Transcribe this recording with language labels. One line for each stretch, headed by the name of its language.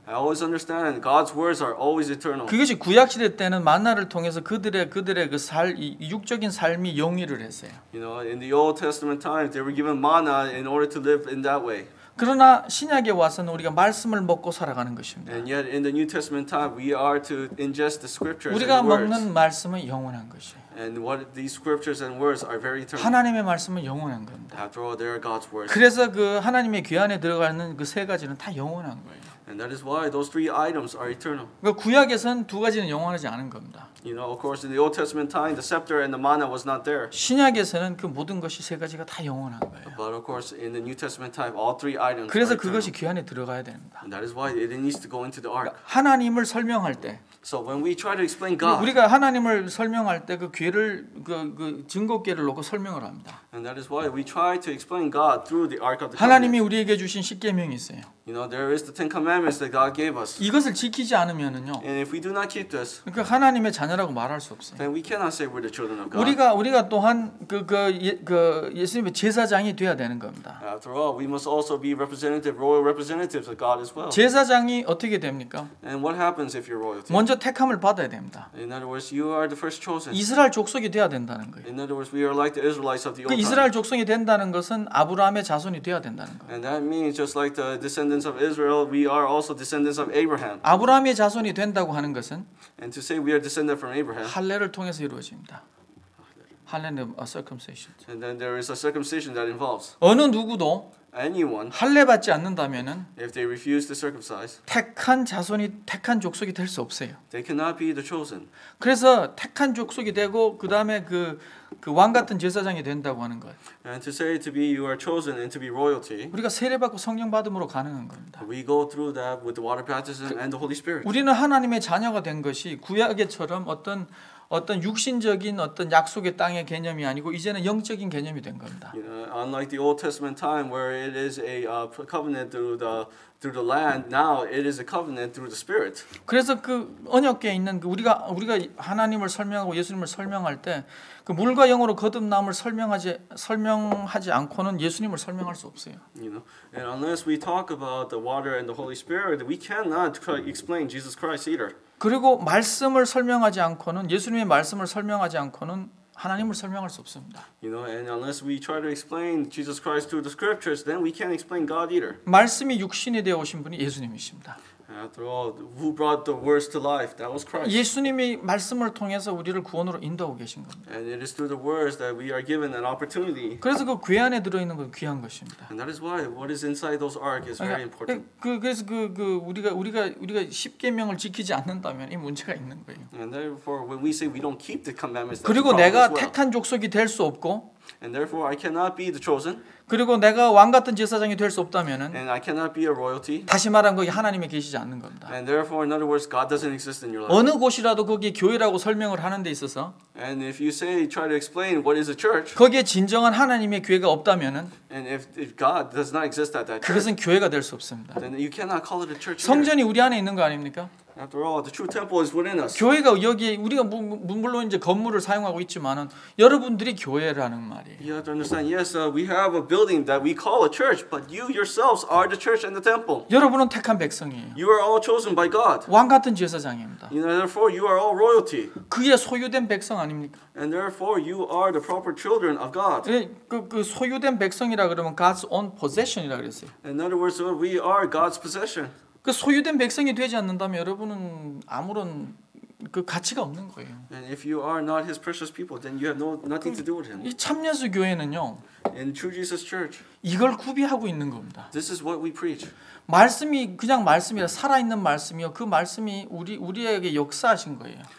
English: I always understand God's words are always eternal.
Korean: 그것이 구약 시대 때는 만나를 통해서 그들의 그 살 육적인 삶이 영위를 했어요.
English: You know, in the Old Testament times, they were given manna in order to live in that way.
Korean: 그러나 신약에 와서는 우리가 말씀을 먹고 살아가는 것입니다.
English: And yet in the New Testament time, we are to ingest the scriptures.
Korean: 우리가
English: and the
Korean: 먹는
English: words.
Korean: 말씀은 영원한 것이에요.
English: And what these scriptures and words are very eternal.
Korean: 하나님의 말씀은 영원한 겁니다.
English: After all, they are God's words.
Korean: 그래서 그 하나님의 귀 안에 들어가는 그 세 가지는 다 영원한 거예요.
English: And that is why those three items are eternal.
Korean: 그러니까 구약에서는 두 가지는 영원하지 않은 겁니다.
English: You know, of course, in the Old Testament time, the scepter and the manna was not there.
Korean: 신약에서는 그 모든 것이 세 가지가 다 영원한 거예요.
English: But of course, in the New Testament time, all three items are eternal.
Korean: 그래서 그것이 귀 안에 들어가야 됩니다.
English: And that is why it needs to go into the ark.
Korean: 하나님을 설명할 때.
English: So when we try to explain God,
Korean: 우리가 하나님을 설명할 때 그 귀를 그 증거궤를 놓고 설명을 합니다.
English: And that is why we try to explain God through the ark of the covenant.
Korean: 하나님이 우리에게 주신 십계명이 있어요.
English: You know, there is the Ten Commandments that God gave us.
Korean: 이것을 지키지 않으면은요.
English: And if we do not keep this,
Korean: 그러니까 하나님의 자녀라고 말할 수 없어요.
English: Then we cannot say we're the children of God.
Korean: 우리가 또한 그 예수님의 제사장이 되어야 되는 겁니다.
English: After all, we must also be representative, royal representatives of God as well.
Korean: 제사장이 어떻게 됩니까?
English: And what happens if you're royalty?
Korean: 먼저 택함을 받아야 됩니다.
English: In other words, you are the first chosen.
Korean: 이스라엘 족속이 되어야 된다는 거예요.
English: In other words, we are like the Israelites of the old time.
Korean: 그 이스라엘 족속이 된다는 것은 아브라함의 자손이 되어야 된다는 거예요.
English: And that means just like the descendants of Israel, we are also descendants of Abraham.
Korean: 아브라함의 자손이 된다고 하는 것은
English: and to say we are descended from Abraham.
Korean: 할례를 통해서 이루어집니다.
English: 할례는 a circumcision. And then there is a circumcision that involves.
Korean: 어느 누구도
English: anyone
Korean: 할례 받지 않는다면은
English: if they refuse to circumcise.
Korean: 택한 자손이 택한 족속이 될 수 없어요.
English: They cannot be the chosen.
Korean: 그래서 택한 족속이 되고 그다음에 그 왕 같은 제사장이 된다고 하는 거예요.
English: And to say to be you are chosen and to be royalty.
Korean: 우리가 세례 받고 성령 받음으로 가능한 겁니다.
English: We go through that with the water baptism and the Holy Spirit.
Korean: 우리는 하나님의 자녀가 된 것이 구약에처럼 어떤 육신적인 어떤 약속의 땅의 개념이 아니고 이제는 영적인 개념이 된 겁니다.
English: You know, unlike the Old Testament time where it is a covenant through the land, now it is a covenant through the Spirit.
Korean: 그래서 그 언약궤에 있는 그 우리가 하나님을 설명하고 예수님을 설명할 때 그 물과 영으로 거듭남을 설명하지 않고는 예수님을 설명할 수 없어요.
English: You know, and unless we talk about the water and the Holy Spirit, we cannot explain Jesus Christ either.
Korean: 그리고 말씀을 설명하지 않고는 예수님의 말씀을 설명하지 않고는 하나님을 설명할 수 없습니다.
English: You know, and unless we try to explain Jesus Christ through the scriptures, then we can't explain God either.
Korean: 말씀이 육신이 되어 오신 분이 예수님이십니다.
English: After all, who brought the words to life? That was Christ.
Korean: 예수님이 말씀을 통해서 우리를 구원으로 인도하고 계신 겁니다.
English: And it is through the words that we are given an opportunity.
Korean: 그래서 그 궤 안에 들어 있는 건 귀한 것입니다.
English: And that is why what is inside those ark is very important.
Korean: 그래서 그 우리가 십계명을 지키지 않는다면 이 문제가 있는 거예요.
English: And therefore, when we say we don't keep the commandments,
Korean: 그리고 내가
English: as well.
Korean: 택한 족속이 될 수 없고.
English: And therefore, I cannot be the chosen.
Korean: 그리고 내가 왕 같은 제사장이 될 수 없다면은.
English: And I cannot be a royalty.
Korean: 다시 말한 거, 하나님이 계시지 않는 겁니다.
English: And therefore, in other words, God doesn't exist in your life.
Korean: 어느 곳이라도 거기 교회라고 설명을 하는데 있어서.
English: And if you say try to explain what is a church.
Korean: 거기에 진정한 하나님의 교회가 없다면은.
English: And if God does not exist at that church.
Korean: 그것은 교회가 될 수 없습니다.
English: Then you cannot call it a church.
Korean: 성전이
English: here.
Korean: 우리 안에 있는 거 아닙니까?
English: After all, the true temple is within us.
Korean: 교회가 여기 우리가 물론 이제 건물을 사용하고 있지만은 여러분들이 교회라는 말이에요.
English: You have to understand. Yes, we have a building that we call a church, but you yourselves are the church and the temple.
Korean: 여러분은 택한 백성이에요.
English: You are all chosen by God.
Korean: 왕 같은 제사장입니다.
English: You know, therefore, you are all royalty.
Korean: 그의 소유된 백성 아닙니까?
English: And therefore, you are the proper children of God.
Korean: 그 소유된 백성이라 그러면
English: God's own possession
Korean: 이라 그랬어요.
English: In other words, we are God's possession.
Korean: 그 소유된 백성이 되지 않는다면 여러분은 아무런 그 가치가 없는 거예요.
English: And if you are not his precious people, then you have nothing to do with him.
Korean: 이 참예수 교회는요.
English: In True Jesus Church.
Korean: 이걸 구비하고 있는 겁니다.
English: This is what we preach.
Korean: 말씀이 그냥 말씀이라 살아 있는 말씀이요. 그 말씀이 우리에게 역사하신 거예요.